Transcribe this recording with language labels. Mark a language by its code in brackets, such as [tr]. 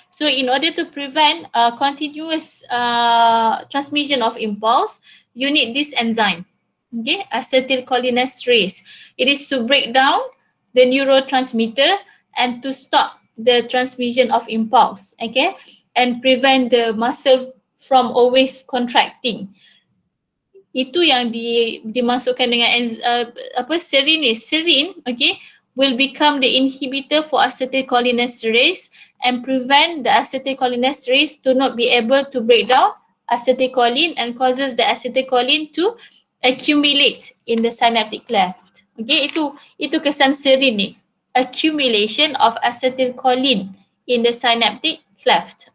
[en] So in order to prevent continuous transmission of impulse, you need this enzyme, okay, acetylcholinesterase. It is to break down the neurotransmitter and to stop the transmission of impulse, okay, and prevent the muscle from always contracting. [ms] Itu yang dimasukkan dengan serine ni. [en] Serine, okay, will become the inhibitor for acetylcholinesterase and prevent the acetylcholinesterase to not be able to break down acetylcholine and causes the acetylcholine to accumulate in the synaptic cleft. Okay, [ms] itu kesan serine ni. [en] Accumulation of acetylcholine in the synaptic cleft.